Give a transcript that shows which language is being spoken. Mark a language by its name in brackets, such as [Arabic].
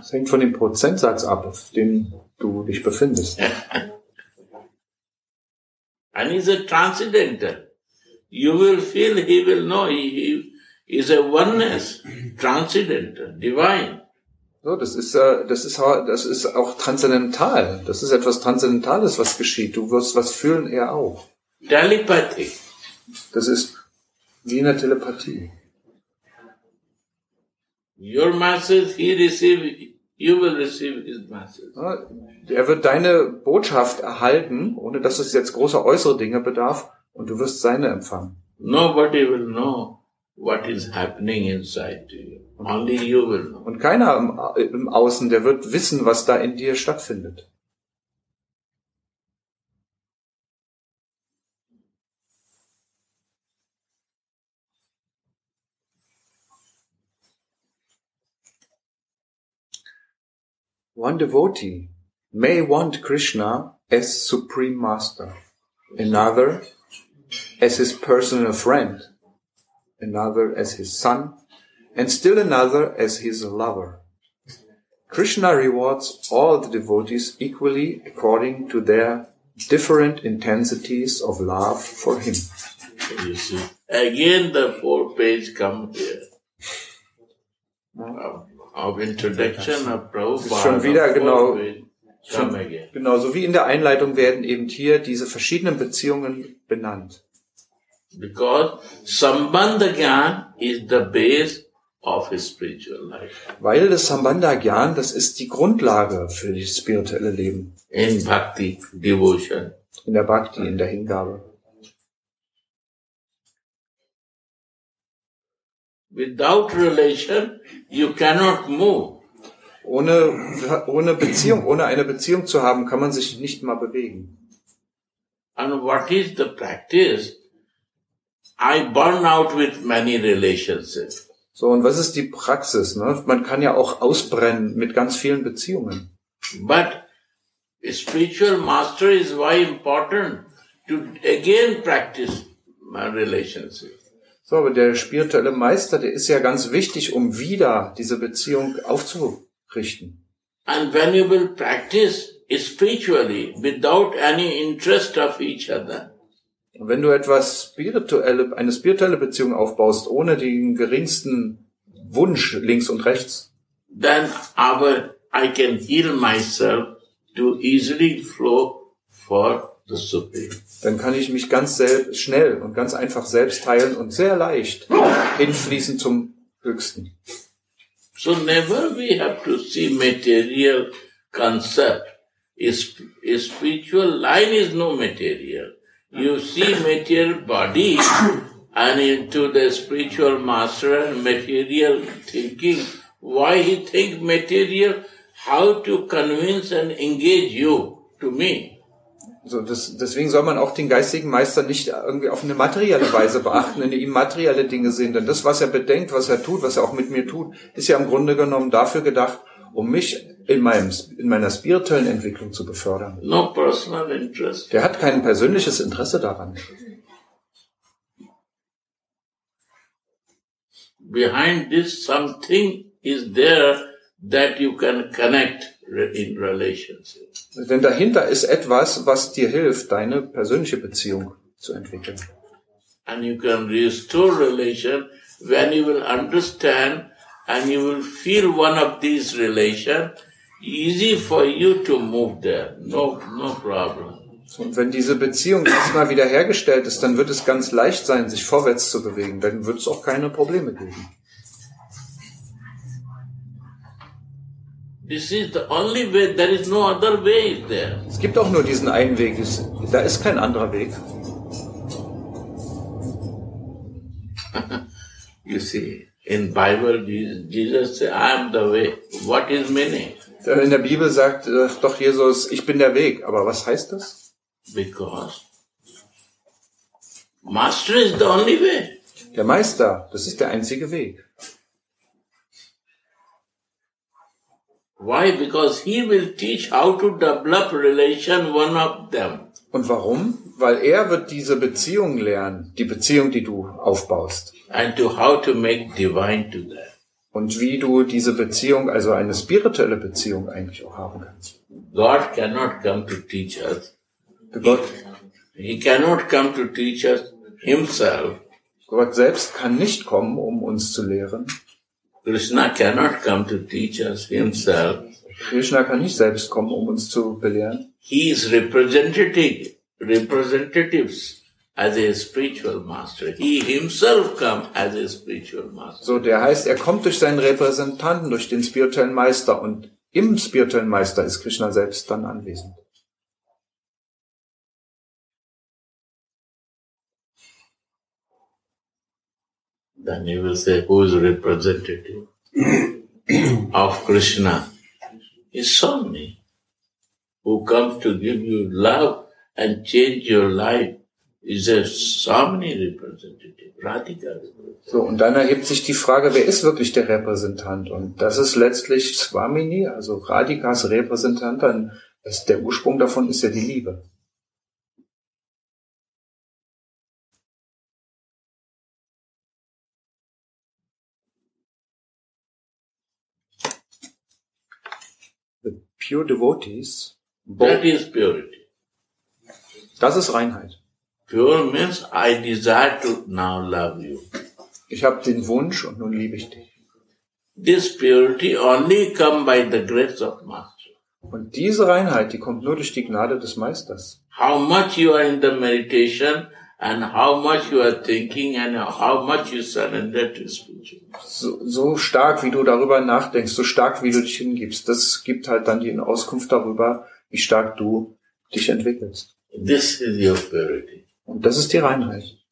[German] Es hängt von dem Prozentsatz ab, auf dem du dich befindest. [English] And he's a transcendental. You will feel, he will know, he is a oneness, transcendental, divine. [German] So, das ist auch transzendental. Das ist etwas Transzendentales, was geschieht. Du wirst was fühlen, er auch. Telepathie. Das ist wie eine Telepathie. [English] Your message, he receive, you will receive his message. [German] Er wird deine Botschaft erhalten, ohne dass es jetzt große äußere Dinge bedarf, und du wirst seine empfangen. [English] Nobody will know what is happening inside you. Only you will know. [German] Und keiner im Außen, der wird wissen, was da in dir stattfindet. [English] One devotee may want Krishna as supreme master, another as his personal friend, another as his son, and still another as his lover. Krishna rewards all the devotees equally according to their different intensities of love for him. You see, again the four page come here. Of introduction of Prabhupada. [German] Schon wieder genau, so wie in der Einleitung werden eben hier diese verschiedenen Beziehungen benannt. [English] Because Sambandha Gyan is the base of his spiritual life. [German] Weil das Sambandha Gyan, das ist die Grundlage für das spirituelle Leben. [English] In Bhakti, Devotion. [German] In der Bhakti, in der Hingabe. [English] Without relation, you cannot move. [German] Ohne eine Beziehung zu haben, kann man sich nicht mal bewegen. [English] And what is the practice? I burn out with many relationships. [German] So, und was ist die Praxis, ne? Man kann ja auch ausbrennen mit ganz vielen Beziehungen. [English] But spiritual master is why important to again practice my relationships. [German] So, aber der spirituelle Meister, der ist ja ganz wichtig, um wieder diese Beziehung aufzurichten. [English] And when you will practice spiritually without any interest of each other. [German] Und wenn du etwas eine spirituelle Beziehung aufbaust, ohne den geringsten Wunsch links und rechts, [English] then aber I can heal myself to easily flow for the Supreme. [German] Dann kann ich mich ganz schnell und ganz einfach selbst heilen und sehr leicht hinfließen zum Höchsten. [English] So never we have to see material concept. Is spiritual line is no material. You see material body and into the spiritual master and material thinking. Why he think material? How to convince and engage you to me? [German] So, deswegen soll man auch den geistigen Meister nicht irgendwie auf eine materielle Weise beachten, in ihm materielle Dinge sehen. Denn das, was er bedenkt, was er tut, was er auch mit mir tut, ist ja im Grunde genommen dafür gedacht, um mich in meiner spirituellen Entwicklung zu befördern. [English] No personal interest. [German] Der hat kein persönliches Interesse daran. [English] Behind this something is there that you can connect in relationships. [German] Denn dahinter ist etwas, was dir hilft, deine persönliche Beziehung zu entwickeln. [English] And you can restore relation when you will understand and you will feel one of these relations easy for you to move there. No problem. [German] Und wenn diese Beziehung erstmal wiederhergestellt ist, dann wird es ganz leicht sein, sich vorwärts zu bewegen. Dann wird es auch keine Probleme geben. [English] This is the only way, there is no other way there. [German] Es gibt auch nur diesen einen Weg, da ist kein anderer Weg. [English] You see, in Bible Jesus said, I am the way. What is meaning? [German] In der Bibel sagt doch Jesus, ich bin der Weg, aber was heißt das? [English] Because Master is the only way. [German] Der Meister, das ist der einzige Weg. [English] Why? Because he will teach how to develop relation one of them. [German] Und warum? Weil er wird diese Beziehung lernen, die Beziehung, die du aufbaust. [English] And to how to make divine to them. [German] Und wie du diese Beziehung, also eine spirituelle Beziehung eigentlich auch haben kannst. [English] God cannot come to teach us. [German] Gott, [English] he cannot come to teach us himself. [German] Gott selbst kann nicht kommen, um uns zu lehren. [English] Krishna cannot come to teach us himself. [German] Krishna kann nicht selbst kommen, um uns zu belehren. [English] He is representatives as a spiritual master. He himself come as a spiritual master. So, der heißt, er kommt durch seinen Repräsentanten, durch den spirituellen Meister, und im spirituellen Meister ist Krishna selbst dann anwesend. Then you will say, who is representative of Krishna? It's Swami, who comes to give you love and change your life. Is a Swami representative, Radhika representative. [German] So, und dann erhebt sich die Frage, wer ist wirklich der Repräsentant? Und das ist letztlich Swamini, also Radhikas Repräsentant. Dann ist der Ursprung davon ist ja die Liebe. [English] Pure devotees. That is purity. [German] Das ist Reinheit. [English] Pure means I desire to now love you. [German] Ich habe den Wunsch und nun liebe ich dich. [English] This purity only come by the grace of master. [German] Und diese Reinheit, die kommt nur durch die Gnade des Meisters. [English] How much you are in the meditation and how much you are thinking and how much you surrender to spiritual. [German] So stark, wie du darüber nachdenkst, so stark, wie du dich hingibst, das gibt halt dann die Auskunft darüber, wie stark du dich entwickelst. [English] This is your purity. [German] Und das ist die Reinheit.